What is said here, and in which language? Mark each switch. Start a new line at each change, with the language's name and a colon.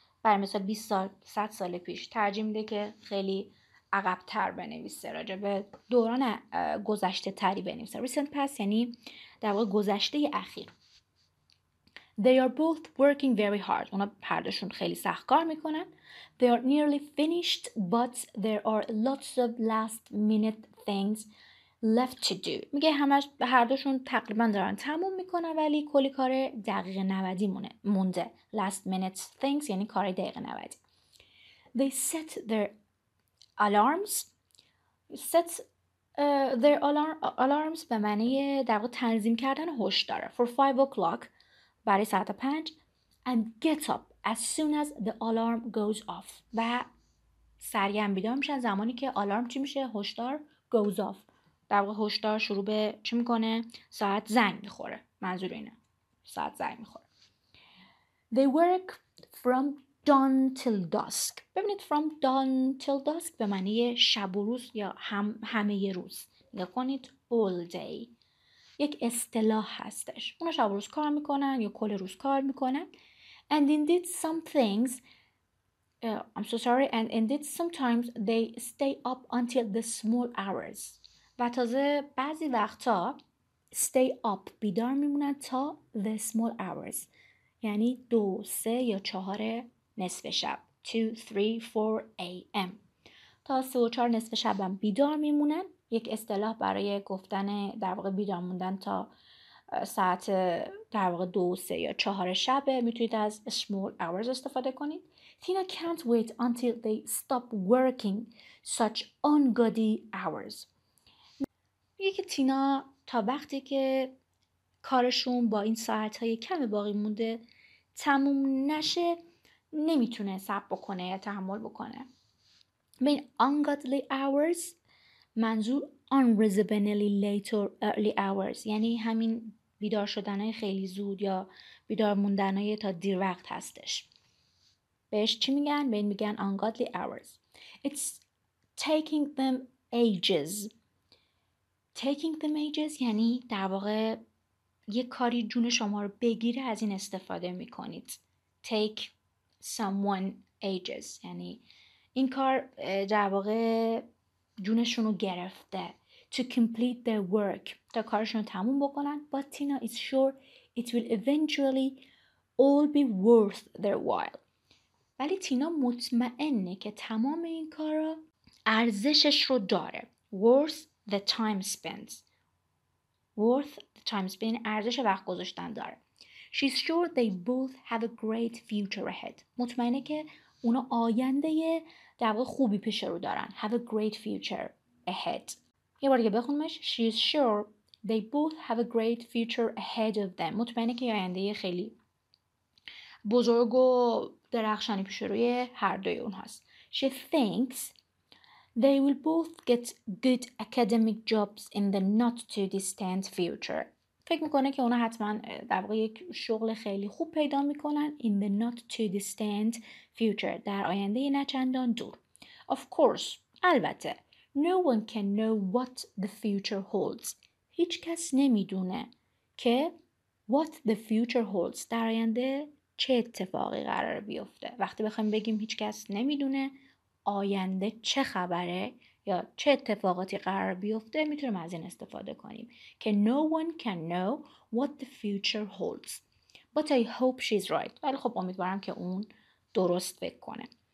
Persian: برای مثال 20 سال 100 سال پیش. ترجیح میده که خیلی عقب‌تر بنویسه، راجع به دوران گذشته تری بنویسه. recent past یعنی در واقع گذشته اخیر.
English: They are both working very hard.
Persian: اونا پردشون خیلی سخت کار میکنن.
English: They are nearly finished, but there are lots of last minute things left to do.
Persian: میگه همش هر دوشون تقریبا دارن تموم میکنن ولی کلی کار دقیقه 90 مونده.
English: Last minute things یعنی کار دقیقه 90. They set their alarms.
Persian: Set their alarms به معنی در واقع تنظیم کردن هشدار.
English: For 5 o'clock. برای ساعت 5 and get up as soon as the alarm goes off.
Persian: و سریع هم بیدار میشن زمانی که alarm چی میشه؟ هشدار goes off. در واقع هشدار شروع به چی میکنه؟ ساعت زنگ میخوره. منظور اینه. ساعت زنگ میخوره. They work from dawn till dusk. ببینید from dawn till dusk به معنی شب و روز یا همه روز. نگاه کنید all day. یک اصطلاح هستش. اونا شب روز کار میکنن یا کل روز کار میکنن.
English: And indeed some things I'm so sorry and indeed sometimes they stay up until the small hours.
Persian: و تازه بعضی وقتا stay up بیدار میمونن تا the small hours. یعنی 2-3 یا 4 نصف شب. 2-3-4 AM. تا 3 و 4 نصف شب هم بیدار میمونن. یک اصطلاح برای گفتن در واقع بیدار موندن تا ساعت در واقع 2-3 یا 4 شب. میتونید از small hours استفاده کنید.
English: Tina can't wait until they stop working such ungodly hours.
Persian: یکی تینا تا وقتی که کارشون با این ساعت‌های کم باقی مونده تموم نشه نمیتونه صبر بکنه یا تحمل بکنه. این ungodly hours منظور unreasonably late or early hours یعنی همین بیدار شدنهای خیلی زود یا بیدار موندنهای تا دیر وقت هستش. بهش چی میگن؟ به این میگن ungodly hours.
English: It's taking them ages.
Persian: Taking them ages یعنی در واقع یک کاری جون شما رو بگیره از این استفاده میکنید. Take someone ages یعنی این کار در واقع جونشون رو گرفته. To complete their work. تا کارشون رو تموم بکنن.
English: But Tina is sure it will eventually all be worth their while.
Persian: ولی تینا مطمئنه که تمام این کارا ارزشش رو داره.
English: Worth the time spent. Worth the time spent.
Persian: ارزش وقت گذاشتن داره.
English: She's sure they both have a great future ahead.
Persian: مطمئنه که اونا آینده در واقع خوبی پیش رو دارن.
English: Have a great future ahead. یه بار دیگه بخونمش. She is sure they both have a great future ahead of them.
Persian: مطمئنه که آینده خیلی بزرگ و درخشانی پیش روی هر دوی اون هست.
English: She thinks they will both get good academic jobs in the not too distant future.
Persian: فکر میکنه که اونا حتما در واقع یک شغل خیلی خوب پیدا میکنن in the not too distant future. در آینده نه چندان دور. Of course. البته.
English: No one can know what the future holds.
Persian: هیچ کس نمیدونه که what the future holds. در آینده چه اتفاقی قرار بیفته. وقتی بخوایم بگیم هیچ کس نمیدونه آینده چه خبره یا چه اتفاقاتی قرار بیفته میتونیم از این استفاده کنیم.
English: که no one can know what the future holds. But I hope she's right. ولی خب امیدوارم که اون درست فکر کنه.